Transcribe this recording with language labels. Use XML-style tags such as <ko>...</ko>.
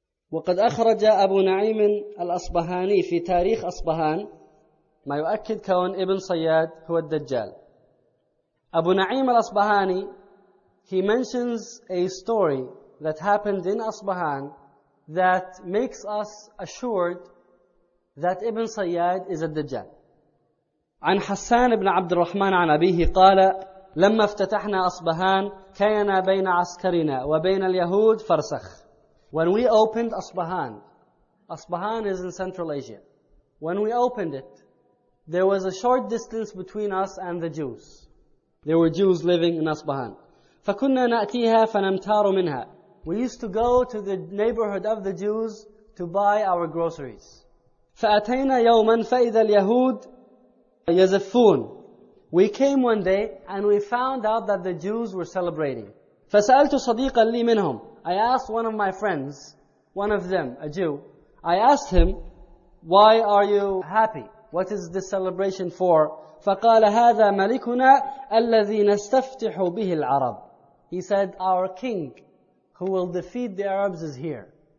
<ar>وَقَدْ أَخْرَجَ أَبُو نَعِيمٍ الْأَصْبَحَانِي فِي تَارِيخِ أَصْبَحَانِ مَا يُؤَكِّدْ كَوْنْ إِبْنْ صَيَّادْ هُوَ الدَّجَّالِ.</ar> <en>Abu Na'im al-Asbahani, he mentions a story that happened in Asbahan that makes us assured that Ibn Sayyad is a Dajjal.</en> <ar>عن حسان بن عبد الرحمن عن أبيه قال لما افتتحنا أصبهان كينا بين عسكرنا وبين اليهود فرسخ.</ar> <en>When we opened Asbahan, Asbahan is in Central Asia. When we opened it, there was a short distance between us and the Jews. There were Jews living in Asbahan.</en> <ar>فكنا نأتيها فنمتار منها.</ar> <en>We used to go to the neighborhood of the Jews to buy our groceries.</en> <ar>فأتينا يوما فإذا اليهود يزفون.</ar> <en>We came one day and we found out that the Jews were celebrating.</en> <ar>فسألت صديقا لي منهم.</ar> <en>I asked one of my friends, one of them, a Jew. I asked him, why are you happy? What is this celebration for?</en> <ar>فَقَالَ هَذَا مَلِكُنَا الَّذِي نَسْتَفْتِحُ بِهِ الْعَرَبِ.</ar> <en>He said, our king who will defeat the Arabs is here.</en>